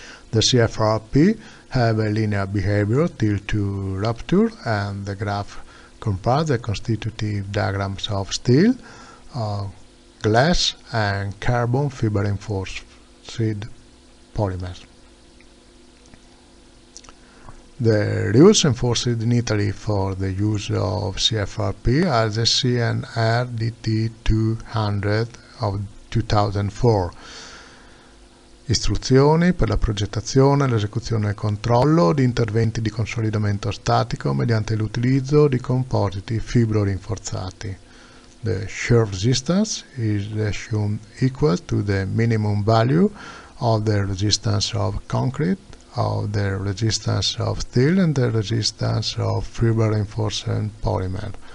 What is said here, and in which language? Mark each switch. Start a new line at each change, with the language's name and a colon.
English: The CFRP have a linear behavior tilt to rupture, and the graph compares the constitutive diagrams of steel, glass and carbon fiber reinforced polymers. The rules enforced in Italy for the use of CFRP are the CNR DT 200 of 2004.
Italian: Istruzioni per la progettazione, l'esecuzione e il controllo di interventi di consolidamento statico mediante l'utilizzo di compositi fibro rinforzati.
English: The shear resistance is assumed equal to the minimum value of the resistance of concrete, of the resistance of steel and the resistance of fiber reinforcing polymer.